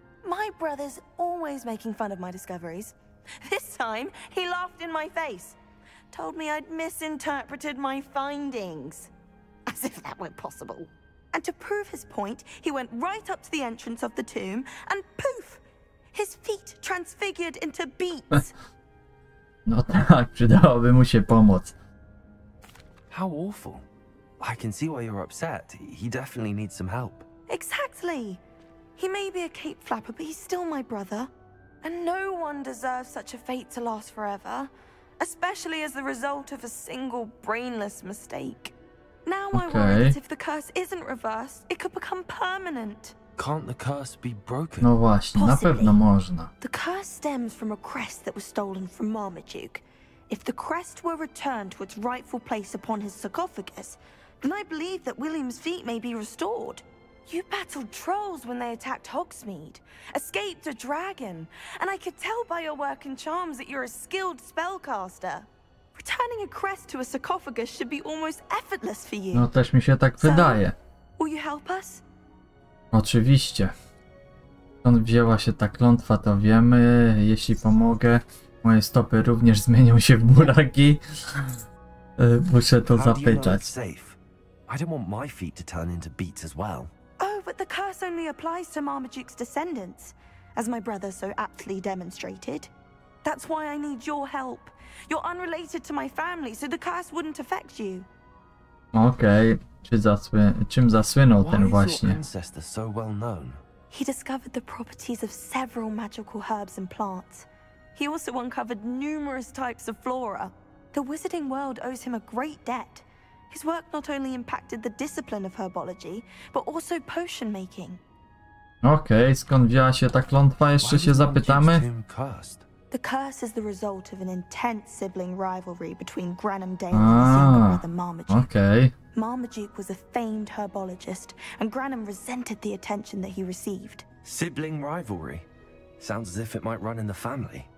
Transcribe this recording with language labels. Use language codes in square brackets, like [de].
[en] My brother's always making fun of my discoveries. This time, he laughed in my face. Told me I'd misinterpreted my findings. As if that were possible. And to prove his point, he went right up to the entrance of the tomb, and poof! His feet transfigured into beets. [pl] No tak, przydałoby mu się pomoc. [en] How awful. I can see why you're upset. He definitely needs some help. Exactly. He may be a cape flapper, but he's still my brother. And no one deserves such a fate to last forever. Especially as the result of a single brainless mistake. Now I worry that if the curse isn't reversed, it could become permanent. Can't the curse be broken? [pl] No właśnie, na pewno można. [en] The curse stems from a crest that was stolen from Marmaduke. If the crest were returned to its rightful place upon his sarcophagus, then I believe that William's feet may be restored. You battled trolls when they attacked Hogsmeade, escaped a dragon, and I could tell by your work and charms that you're a skilled spellcaster. Returning a crest to a sarcophagus should be almost effortless for you. [pl] No też mi się tak wydaje. [en] So, will you help us? [pl] Oczywiście. Skąd wzięła się ta klątwa, to wiemy. Jeśli pomogę, moje stopy również zmienią się w buraki. Muszę to zapytać. [en] I don't want my feet to turn into beets as well. Oh, but the curse only applies to Marmaduke's descendants, as my brother so aptly demonstrated. That's why I need your help. You're unrelated to my family, so the curse wouldn't affect you. [pl] Okay. Czym zasłynął [en] why [pl] ten właśnie? [en] Why is your ancestor so well known? He discovered the properties of several magical herbs and plants. He also uncovered numerous types of flora. The wizarding world owes him a great debt. His work not only impacted the discipline of herbology, but also potion making. [pl] Okej, skąd wzięła się ta klątwa? Jeszcze się zapytamy. [en] The curse is the result of an intense sibling rivalry between Granham Dale and his younger brother Marmaduke. [pl] Okej. [en] Marmaduke was a famed herbologist, and Granham resented the attention that he received. Sibling rivalry? Sounds as if it might run in the family.